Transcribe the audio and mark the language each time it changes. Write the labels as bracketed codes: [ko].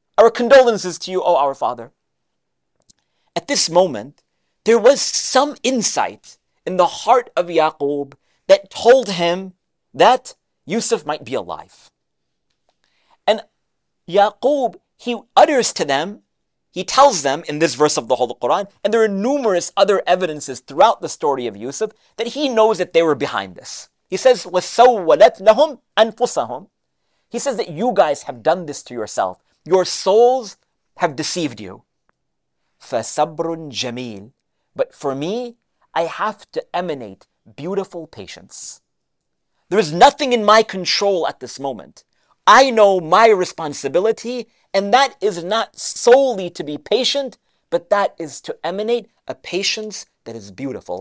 [en] Our condolences to you, O our father. At this moment, there was some insight in the heart of Yaqub that told him that Yusuf might be alive. And Yaqub, he utters to them, he tells them in this verse of the Holy Quran, and there are numerous other evidences throughout the story of Yusuf, that he knows that they were behind this. He says, [ar] وَسَوَّلَتْ لَهُمْ أَنفُسَهُمْ. [en] He says that you guys have done this to yourself. Your souls have deceived you. [ar] فَصَبْرٌ جَمِيلٌ. [en] But for me, I have to emanate beautiful patience. There is nothing in my control at this moment. I know my responsibility, and that is not solely to be patient, but that is to emanate a patience that is beautiful.